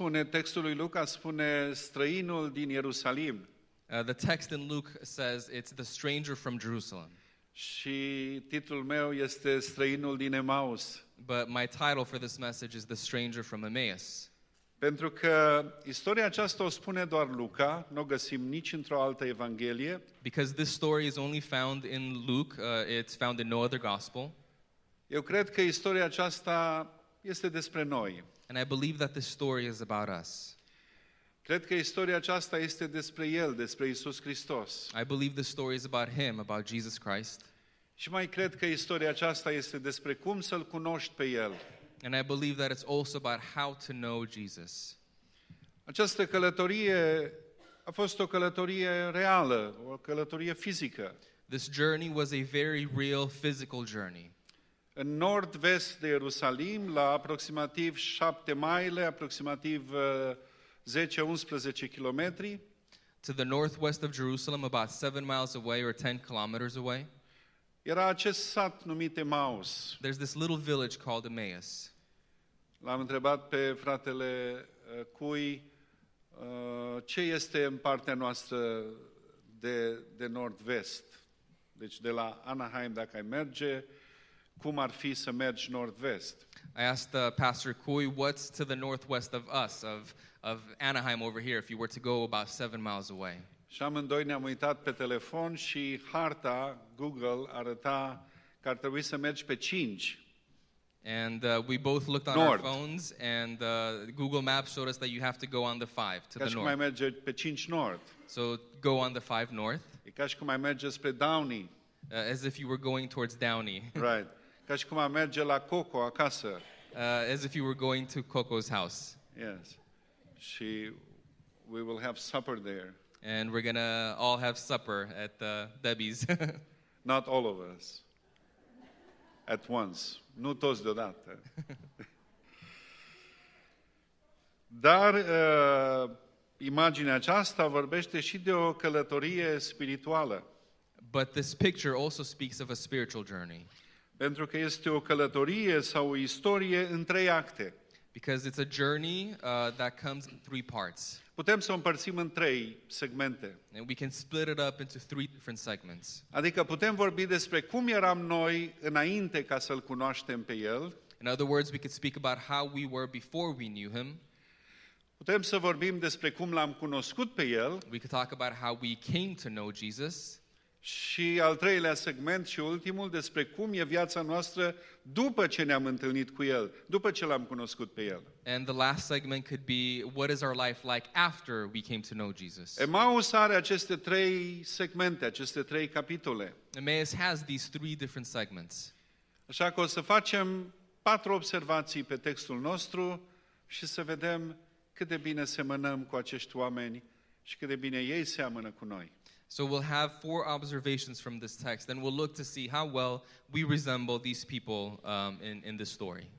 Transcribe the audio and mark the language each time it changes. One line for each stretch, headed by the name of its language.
Romanian: Textul lui Luca spune străinul din Ierusalim.
English: The text in Luke says it's the stranger from Jerusalem.
Romanian: Și titlul meu este străinul din Emaus.
English: But my title for this message is the stranger from Emmaus.
Romanian: Pentru că istoria aceasta o spune doar Luca, nu o găsim nici într-o altă evanghelie.
English: Because this story is only found in Luke, it's found in no other gospel.
Romanian: Eu cred că istoria aceasta este despre noi.
English: And I believe that this story is about us.
Romanian: Cred că istoria aceasta este despre El, despre Iisus Hristos.
English: I believe the story is about Him, about Jesus Christ.
Romanian: Și mai cred că istoria aceasta este despre cum să-L cunoști pe El.
English: And I believe that it's also about how to know Jesus.
Romanian: Această călătorie a fost o călătorie reală, o călătorie fizică.
English: This journey was a very real physical journey.
Romanian: În nord-vest de Ierusalim, la aproximativ 7 mile, aproximativ 10-11 kilometri.
English: To the northwest of Jerusalem, about 7 miles away or 10 kilometers away.
Romanian: Era acest sat numit Emaus.
English: There's this little village called Emmaus.
Romanian: L-am întrebat pe fratele Cui ce este în partea noastră de nord-vest. Deci de la Anaheim, dacă ai merge, cum ar fi să mergi nord-vest?
English: I asked Pastor Cui, what's to the northwest of us, of Anaheim over here, if you were to go about 7 miles away?
Romanian: Și amândoi ne-am uitat pe telefon și harta Google arăta că ar trebui să mergi pe 5.
English: And we both looked on north. Our phones and Google Maps showed us that you have to go on the 5 to
Romanian: ca Ca și cum ai merge pe 5 north.
English: So go on the 5 north.
Romanian: E ca și cum ai merge spre Downey.
English: As if you were going towards Downey. Right.
Romanian: Ca și cum ai merge la Coco acasă.
English: As if you were going to Coco's house. Yes. Și we will have supper there. And we're going to all have supper at Debbie's. Not all of us. At once.
Romanian: Nu toți deodată. Dar imaginea aceasta vorbește și de o călătorie spirituală.
English: But this picture also speaks of a spiritual journey.
Romanian: Pentru că este o călătorie sau o istorie în trei acte.
English: Because it's a journey that comes in three parts.
Romanian: Putem să o împărțim în trei segmente.
English: And we can split it up into three different segments.
Romanian: Adică putem vorbi despre cum eram noi înainte ca să-L cunoaștem pe El.
English: In other words, we could speak about how we were before we knew Him.
Romanian: Putem să vorbim despre cum L-am cunoscut pe El.
English: We could talk about how we came to know Jesus.
Romanian: Și al treilea segment și ultimul, despre cum e viața noastră după ce ne-am întâlnit cu El, după ce L-am cunoscut pe El.
English: And the last segment could be, what is our life like after we came to know Jesus?
Romanian: Emmaus are aceste trei segmente, aceste trei capitole.
English: Emmaus has these three different segments.
Romanian: Așa că o să facem patru observații pe textul nostru și să vedem cât de bine semănăm cu acești oameni și cât de bine ei seamănă cu noi.
English: So we'll have four observations from this text, and we'll look to see how well we resemble these people in this story.